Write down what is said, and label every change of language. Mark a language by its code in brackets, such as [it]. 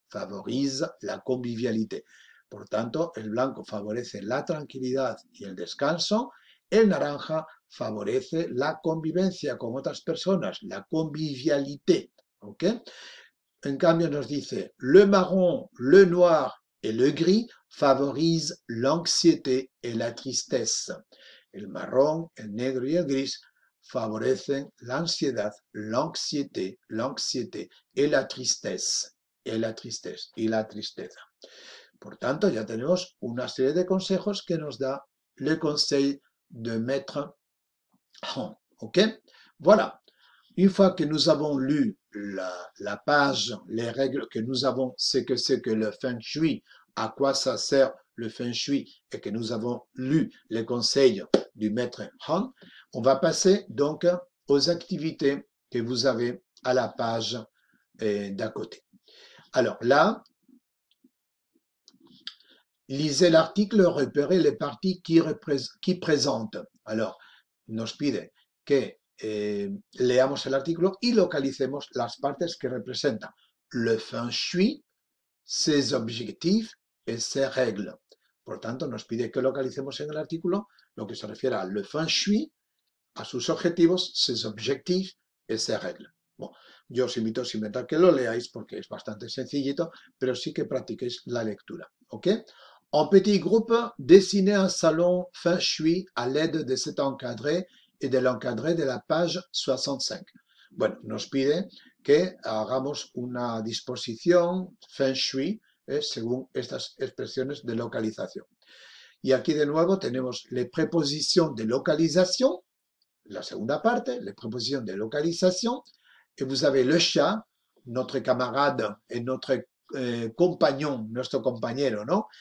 [fr] favorise la convivialité. [es] Pourtanto, el blanco favorece la tranquilidad y el descanso. El naranja favorece la convivencia con otras personas, [fr] la convivialité. ¿Okay? [es] En cambio, nos dice [fr] le marrón, le noir et le gris favorisent l'anxiété et la tristesse. [es] El marrón, el negro y el gris favorecen la ansiedad, [fr] l'anxiété et la tristesse. Et la tristesse, [es] y la tristeza. Por tanto, ya tenemos una serie de consejos que nos da [fr] le conseil de mettre en. Ok? Voilà. Une fois que nous avons lu la page, les règles que nous avons, c'est que c'est que le feng shui, à quoi ça sert le feng shui, et que nous avons lu les conseils du maître Han, on va passer donc aux activités que vous avez à la page d'à côté. Alors là, lisez l'article, repérez les parties qui présentent. [es] Alors, nos pide que leamos el artículo y localicemos las partes que representan [fr] le feng shui, ses objectifs et ses règles. [es] Por tanto, nos pide que localicemos en el artículo lo que se refiere a le feng shui, a sus objetivos, [fr] ses objectifs et ses règles. [es] Bon, yo os invito sin inventar que lo leáis porque es bastante sencillito, pero sí que practiquéis la lectura. ¿Ok? [fr] En petit groupe, dessinez un salon feng shui à l'aide de cet encadré et de l'encadré de la page 65. [es] Bueno, nos pide que hagamos una disposición feng shui según estas expresiones de localización. Y aquí de nuevo tenemos les prepositions de localización, la segunda parte, les prepositions de localización, y [fr] vous avez le chat, notre camarade et notre compagnon, [es] nuestro compañero, ¿no?